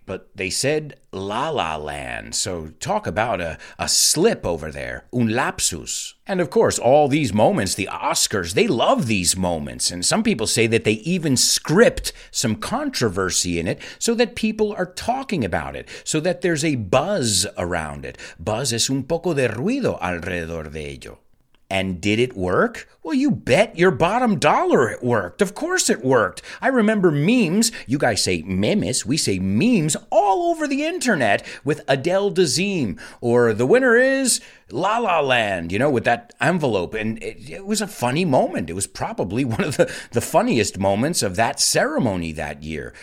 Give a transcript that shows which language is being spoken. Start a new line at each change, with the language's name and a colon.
English: But they said La La Land. So talk about a slip over there.
Spanish: Un lapsus.
English: And of course, all these moments, the Oscars, they love these moments. And some people say that they even script some controversy in it so that people are talking about it, so that there's a buzz around it.
Spanish: Buzz es un poco de ruido alrededor de ello.
English: And did it work? Well, you bet your bottom dollar it worked. Of course it worked. I remember memes. You guys say memes. We say memes all over the internet with Adele Dazeem. Or the winner is La La Land, you know, with that envelope. And it was a funny moment. It was probably one of the funniest moments of that ceremony that year.